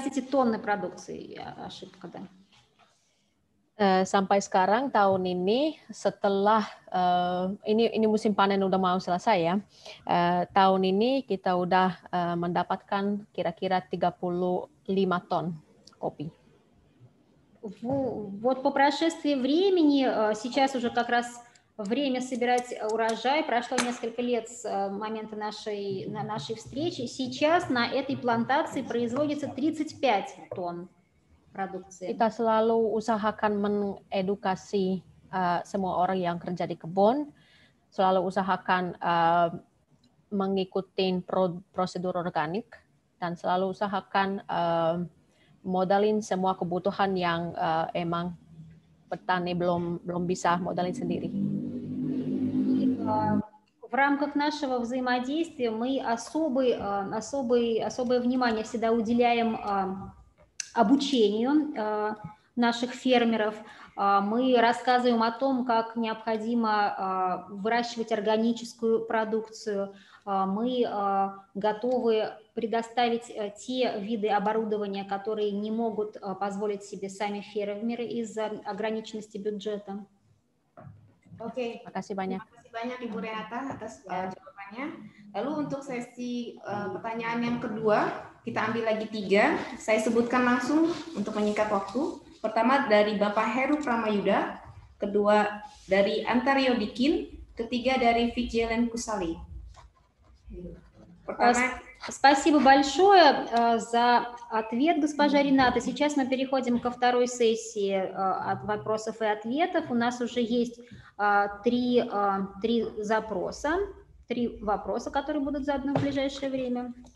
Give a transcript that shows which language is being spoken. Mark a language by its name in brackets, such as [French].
[Russian] Тонны продукции, ошибка, да. [Indonesian] Sampai sekarang tahun ini setelah ini musim panen udah mau selesai ya. Tahun ini kita udah mendapatkan kira-kira 35 ton kopi. [Russian] Вот по прошествии времени сейчас уже как раз время собирать урожай. Прошло несколько лет с момента нашей встречи. Сейчас на этой плантации производится 35 тонн. [Indonesian] Kita selalu usahakan mengedukasi semua orang yang kerja di kebun, selalu usahakan mengikuti prosedur organik, dan selalu usahakan modalin semua kebutuhan yang emang petani belum bisa modalin sendiri. [Russian] В рамках нашего взаимодействия мы особое внимание всегда уделяем обучению наших фермеров. Мы рассказываем о том, как необходимо выращивать органическую продукцию. Мы готовы предоставить те виды оборудования, которые не могут позволить себе сами фермеры из-за ограниченности бюджета. Okay. Спасибо. [Indonesian] Banyak Ibu Renata atas jawabannya. Lalu untuk sesi pertanyaan yang kedua, kita ambil lagi tiga. Saya sebutkan langsung untuk menyingkat waktu. Pertama dari Bapak Heru Pramayuda, kedua dari Antario Dikin, ketiga dari Vigilen Kusali. Pertama. [Russian] Спасибо большое за ответ, госпожа Рената. Сейчас мы переходим ко второй сессии от вопросов и ответов. У нас уже есть три запроса, три вопроса, которые будут заданы в ближайшее время.